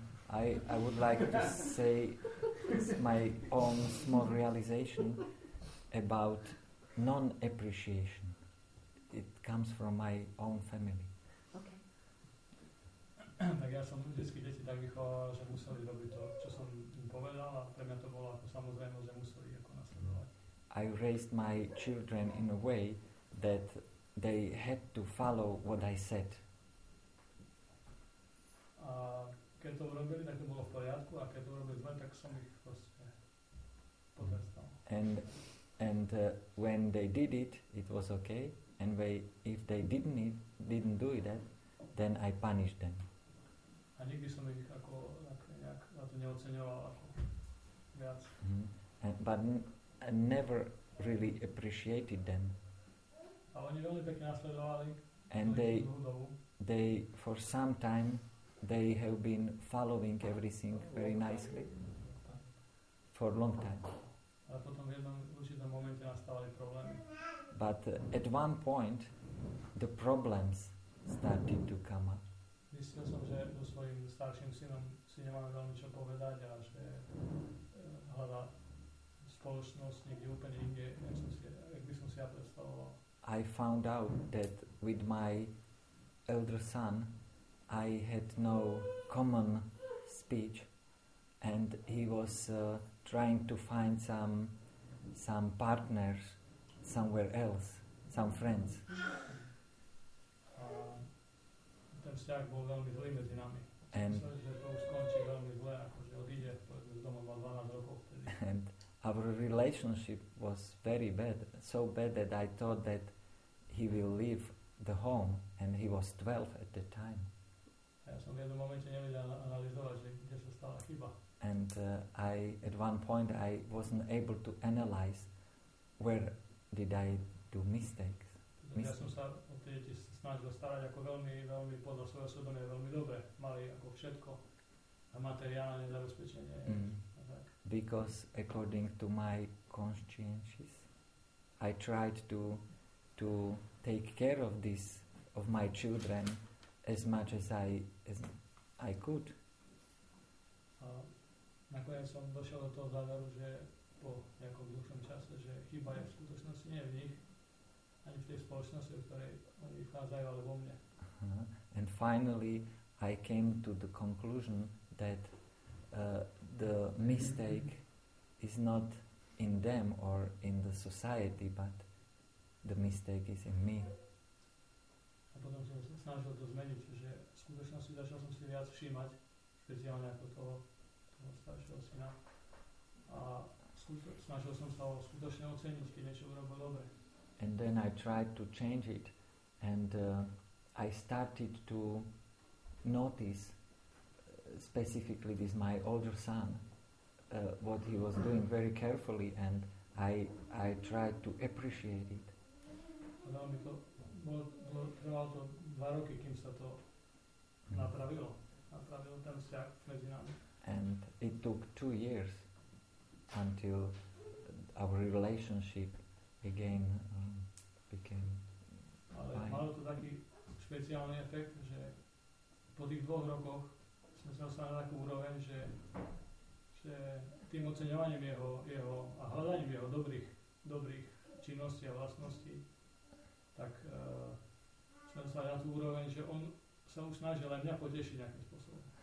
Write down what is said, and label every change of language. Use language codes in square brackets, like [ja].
[en] I would like to say my own small realization about non-appreciation. It comes from my own family. [sk] Tak ja som detské deti tak vychoval, že museli robiť to, čo som im povedal, a pre mňa to bolo ako samozrejmosť, že museli ako nasledovať. [en] I raised my children in a way that they had to follow what I said. [sk] A keď to urobili, tak to bolo v poriadku, a keď to urobili zle, tak som ich proste potrestal. [en] And when they did it, it was okay. And they, if they didn't do that, then I punished them. [sk] A nikdy som ich ako nejak na to neoceňoval ako viac. [en] But I never really appreciated them. [sk] A oni veľmi pekne nasledovali. [en] And they for some time they have been following everything very nicely for a long time. [sk] Ale potom v jednom určitom momente nastali problémy. [en] But at one point the problems started to come up. [sk] Myslel som, že so svojím starším synom si nemáme veľmi čo povedať, a že hľadá spoločnosť niekde úplne inde, jak by som si ja predstavoval. [en] I found out that with my elder son I had no common speech, and he was trying to find some partners somewhere else, some friends. [sk] Ten vzťah bol veľmi zlý medzi nami. [en] And [sk] to skončí veľmi zle, akože odíde, povedme, z doma mal 12 rokov vtedy. [en] And our relationship was very bad, so bad that I thought that he will leave the home, and he was 12 at the time. [sk] Ja som v jednom momente nevedel analyzovať, že kde sa stala chyba. [en] And I at one point I wasn't able to analyze where did I do mistakes. [sk] Ja som sa o tie deti snažil starať ako veľmi, veľmi podľa svojho osobne veľmi dobre. Mali ako všetko a materiálne zabezpečenie. Mm. [en] Because according to my consciences I tried to take care of this, of my children, as much as I could. [sk] Nakoniec som došiel do toho záveru, že po nejakom dlhšom čase, že chyba je v skutočnosti nie v nich, ani v tej spoločnosti, v ktorej oni vychádzajú, ale vo mne. [en] And finally I came to the conclusion that the mistake is not in them or in the society, but the mistake is in me. [sk] A potom som sa snažil to zmeniť, že v skutočnosti začal som si viac všímať, špeciálne ako toho staršieho syna. A snažil som sa ho skutočne oceniť, keď niečo urobil dobre. [en] And then I tried to change it, and I started to notice specifically this my older son, what he was doing very carefully, and I tried to appreciate it. Trvalo to 2 roky, kým sa to napravilo ten vzťah medzi nami. And it took 2 years until our relationship again became ale fine. [sk] Malo to taký špeciálny efekt, že po tých dvoch rokoch sme sa dostali na takú úroveň, že tým oceňovaním jeho a hľadaním jeho dobrých činností a vlastností, tak sme dostali na tú úroveň, že on sa už snažil aj mňa potešiť nejakým spôsobom.